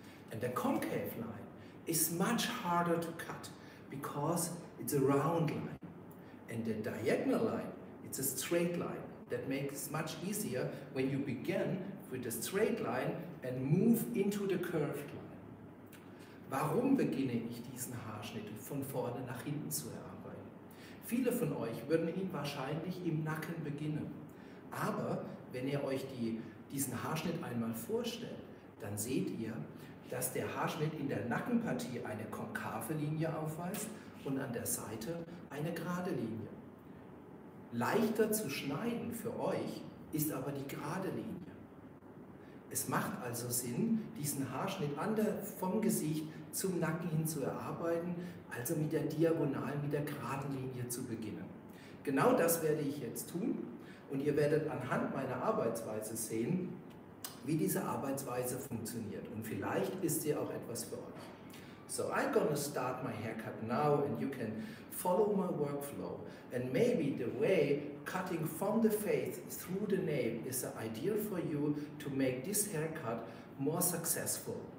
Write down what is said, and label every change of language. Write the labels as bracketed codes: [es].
[en] And the concave line is much harder to cut because it's a round line. And the diagonal line, it's a straight line. That makes it much easier when you begin with a straight line and move into the curved line. [de] Warum beginne ich diesen Haarschnitt von vorne nach hinten zu erarbeiten? Viele von euch würden ihn wahrscheinlich im Nacken beginnen. Aber wenn ihr euch diesen Haarschnitt einmal vorstellt, dann seht ihr, dass der Haarschnitt in der Nackenpartie eine konkave Linie aufweist und an der Seite eine gerade Linie. Leichter zu schneiden für euch ist aber die gerade Linie. Es macht also Sinn, diesen Haarschnitt vom Gesicht zum Nacken hin zu erarbeiten, also mit der Diagonalen, mit der geraden Linie zu beginnen. Genau das werde ich jetzt tun und ihr werdet anhand meiner Arbeitsweise sehen, wie diese Arbeitsweise funktioniert. Und vielleicht ist sie auch etwas für euch. [en] So I'm gonna start my haircut now and you can follow my workflow. And maybe the way cutting from the face through the nail is the ideal for you to make this haircut more successful.